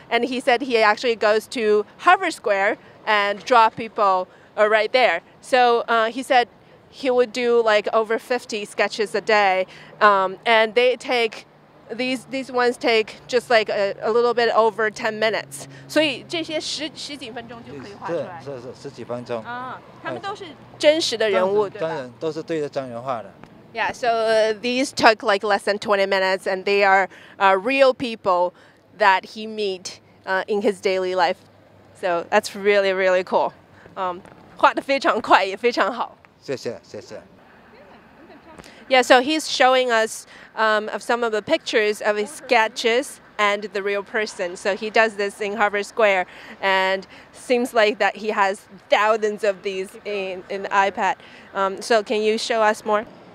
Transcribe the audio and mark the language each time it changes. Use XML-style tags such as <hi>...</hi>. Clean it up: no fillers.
<en>And he said he actually goes to Harvard Square and draw people right there. So he said he would do like over 50 sketches a day. And they take, these ones take just like a little bit over 10 minutes. So these</en> <zh>十几分钟就可以画出来。是是是，十几分钟。啊，他们都是真实的人物，对吧？当然，都是对着张元画的。</zh> <en>Yeah, so these took like less than 20 minutes, and they are real people that he meet in his daily life. So that's really, really cool.</en> <zh>画得非常快，也非常好。谢谢，谢谢。</zh> <en>Yeah, so he's showing us of some of the pictures of his sketches and the real person. So he does this in Harvard Square, and seems like that he has thousands of these in the iPad. So can you show us more?</en>